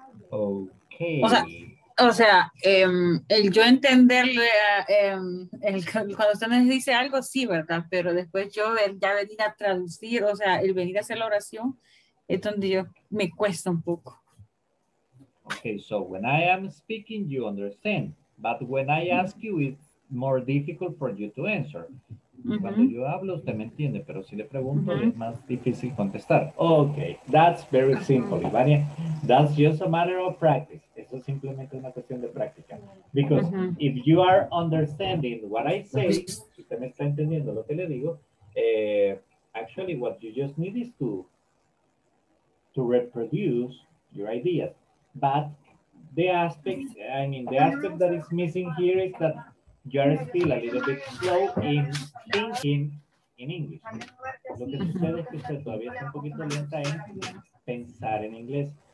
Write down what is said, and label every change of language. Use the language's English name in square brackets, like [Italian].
[English] Okay. [Spanish] O sea, o sea, el yo entenderle, cuando usted me dice algo, sí, ¿verdad? Pero después yo ya venir a traducir, o sea, el venir a hacer la oración, es donde yo me cuesta un poco. [English] Okay, so when I am speaking, you understand. But when I ask you, it's more difficult for you to answer. Uh-huh. [Spanish] Cuando yo hablo, usted me entiende, pero si le pregunto, uh-huh, es más difícil contestar. [English] Okay, that's very simple, Ivania. That's just a matter of practice. [Spanish] Eso es simplemente una cuestión de práctica. [English] Because, uh-huh, if you are understanding what I say, [Spanish] si usted me está entendiendo lo que le digo, [English] actually what you just need is to reproduce your ideas. But the aspect that is missing here is that you are still a little bit slow in thinking in English. [Spanish] Lo que sucede es que usted todavía está un poquito lenta en pensar en inglés.